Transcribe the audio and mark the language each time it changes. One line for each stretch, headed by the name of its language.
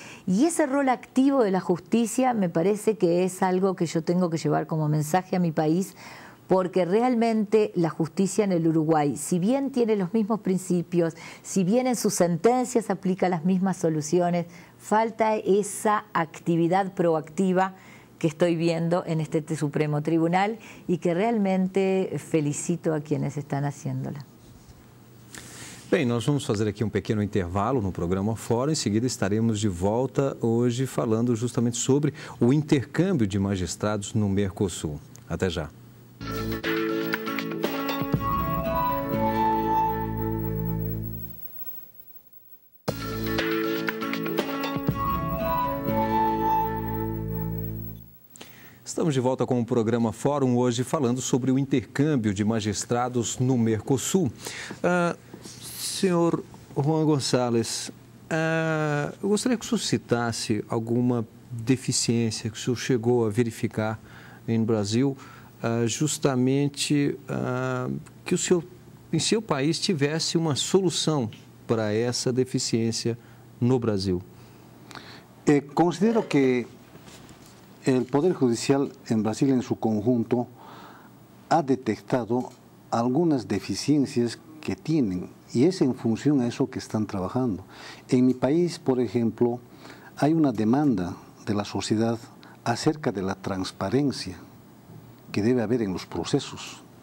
Spanish: Y ese rol activo de la justicia me parece que es algo que yo tengo que llevar como mensaje a mi país, porque realmente la justicia en el Uruguay, si bien tiene los mismos principios, si bien en sus sentencias aplica las mismas soluciones, falta esa actividad proactiva que estoy viendo en este Supremo Tribunal y que realmente felicito a quienes están haciéndola.
Portuguese: Bem, nós vamos fazer aqui um pequeno intervalo no programa Fórum, em seguida estaremos de volta hoje falando justamente sobre o intercâmbio de magistrados no Mercosul. Até já. Música. Estamos de volta com o programa Fórum, hoje falando sobre o intercâmbio de magistrados no Mercosul. Senhor Juan Gonçalves, eu gostaria que o senhor citasse alguma deficiência que o senhor chegou a verificar em Brasil, justamente que o senhor, em seu país, tivesse uma solução para essa deficiência no Brasil.
Spanish: Considero que el Poder Judicial en Brasil en su conjunto ha detectado algunas deficiencias que tienen y es en función a eso que están trabajando. En mi país, por ejemplo, hay una demanda de la sociedad acerca de la transparencia que debe haber en los procesos.